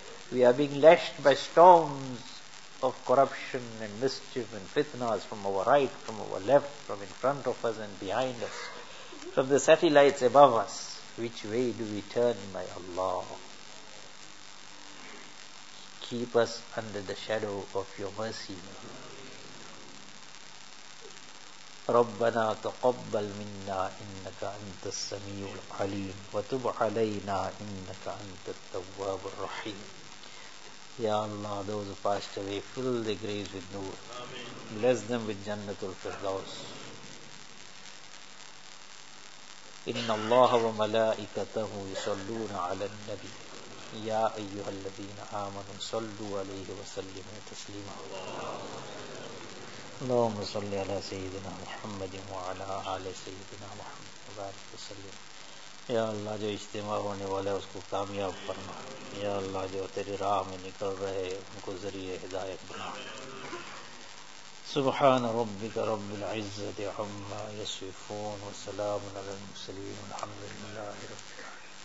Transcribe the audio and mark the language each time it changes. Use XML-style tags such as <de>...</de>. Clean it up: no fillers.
<en>We are being lashed by storms of corruption and mischief and fitnas from our right, from our left, from in front of us and behind us, from the satellites above us. Which way do we turn, my Allah? Keep us under the shadow of your mercy.</en> <ar>ربنا تقبل منا انك انت السميع العليم وتب علينا انك انت التواب الرحيم.</ar> <en>Ya Allah, those who passed away, fill their graves with nur. Bless them with jannatul firdaus.</en> <ar>Inna Allah wa malaikatahu yusalluna 'ala an-nabi. Ya ayyuhalladhina amanu sallu 'alayhi wa sallimu taslima. اللهم صل على سيدنا محمد وعلى آل سيدنا محمد وبارك وسلم.</ar> <ur>يا الله جو اجتماع ہونے والا ہے اس کو کامیاب فرما. يا الله جو تیری راہ میں نکل رہے ان کو ذریعہ ہدایت بنا.</ur> <ar>سبحان ربك رب العزة عما يصفون وسلام على المرسلين والحمد لله رب العالمين.</ar>